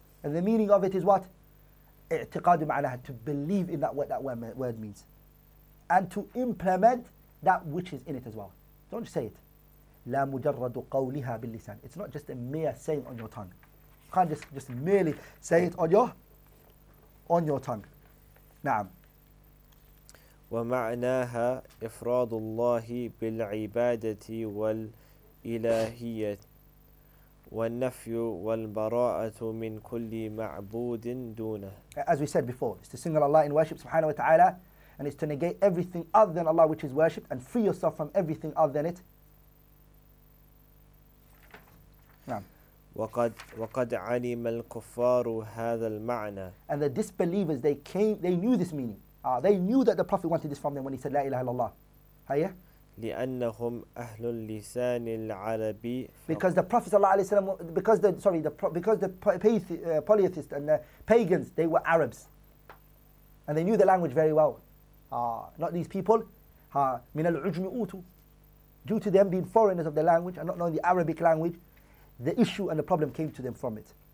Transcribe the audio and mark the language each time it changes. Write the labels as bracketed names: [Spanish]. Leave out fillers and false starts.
[English] And the meaning of it is what? [Arabic] اعتقاد معناها, [English] to believe in that, what that word means. And to implement that which is in it as well. Don't just say it. [Arabic] لَا مُجَرَّدُ قَوْلِهَا بِاللِّسَانِ [English] It's not just a mere saying on your tongue. You can't just merely say it on your tongue. [Arabic] نعم. ومعناها إفراد الله بالعبادة والإلهية والنفي والبراءة من كل معبود دونه. [English] As we said before, it's to single Allah in worship, subhanahu wa ta'ala, and it's to negate everything other than Allah which is worshipped and free yourself from everything other than it. [Arabic] نعم. وقد علم الكفار هذا المعنى. [English] And the disbelievers, they knew this meaning. They knew that the Prophet wanted this from them when he said, La ilaha illallah. Hayya? [Arabic] لأنهم أهل اللسان العربي. [English] Because the Prophet sallallahu alayhi wa sallam, because the polytheists and the pagans, they were Arabs. And they knew the language very well. Not these people. [Arabic] من العجم أوتوا. [English] Due to them being foreigners of the language and not knowing the Arabic language, the issue and the problem came to them from it.